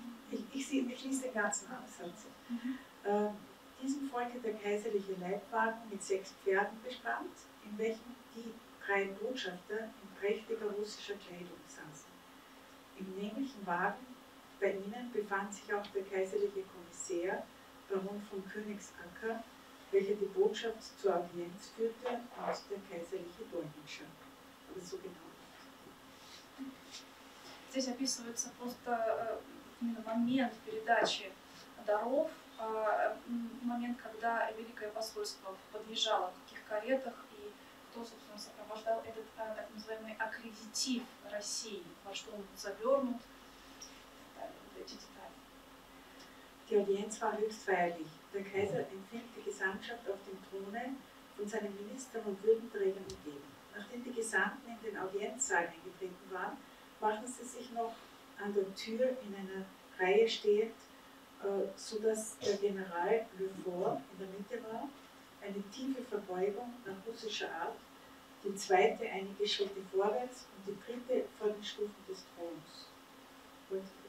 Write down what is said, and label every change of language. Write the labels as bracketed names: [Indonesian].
[German] Ich schließe den ganzen Absatz. Diesem folgte der kaiserliche Leibwagen mit 6 Pferden bespannt, in welchem die 3 Botschafter in prächtiger russischer Kleidung saßen. Im nämlichen Wagen bei ihnen befand sich auch der kaiserliche Kommissär, Baron von Königsacker, welcher die Botschaft zur Audienz führte, aus der kaiserliche Dolmetscher. Aber so genau. [Russian] Здесь описывается просто именно момент передачи даров, момент, когда Великое посольство подъезжало в таких каретах, и кто, собственно, сопровождал этот так называемый аккредитив России, во что он завернут, эти детали. [German] Die Audienz war höchst feierlich. Der Kaiser empfing die Gesandtschaft auf dem Throne, von seinen Ministern und Würdenträgern umgeben. Nachdem die Gesandten in den Audienzsaal eingetreten waren, machten sie sich noch an der Tür in einer Reihe stehend, sodass der General Le Fort in der Mitte war, eine tiefe Verbeugung nach russischer Art, die zweite einige Schritte vorwärts und die dritte vor den Stufen des Throns.